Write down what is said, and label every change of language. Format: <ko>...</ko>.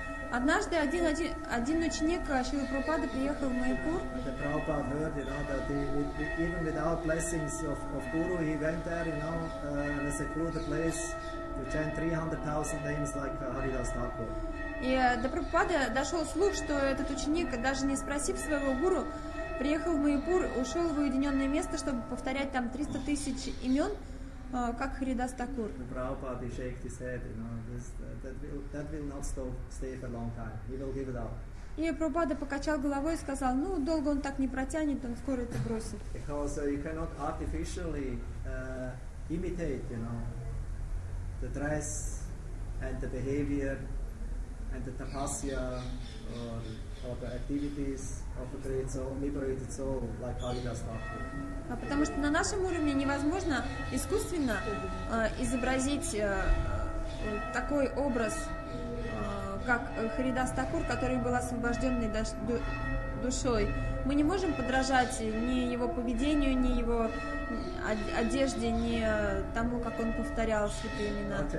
<ru>Однажды один ученик Шрилы Прабхупады приехал в Майпур.</ru> <en>The Prabhupada heard, you know, that even without blessings of Guru, he went there, you know, in a secluded place. Chant 300,000 names like Haridas Thakur.</en> <ru>И до Прабхупады дошел слух, что этот ученик, даже не спросив своего гуру, приехал в Майпур, ушел в уединенное место, чтобы повторять там 300 тысяч имен, как Харидас Такур.</ru> <en>The Prabhupada shaked his head, you know, that will not stay for a long time. He will give it up.</en> <ru>И Прабхупада покачал головой и сказал, ну, долго он так не протянет, он скоро это бросит.</ru> <en>Because you cannot artificially imitate, you know, the dress and the behavior and the tapasya or the activities of a great soul, liberated soul like Haridas Thakur.</en> <ru>А потому что на нашем уровне невозможно искусственно изобразить такой образ, как Харидас Такур, который был освобожденный душой. Мы не можем подражать ни его поведению, ни его одежде, не тому, как он повторял святые имена.</ru>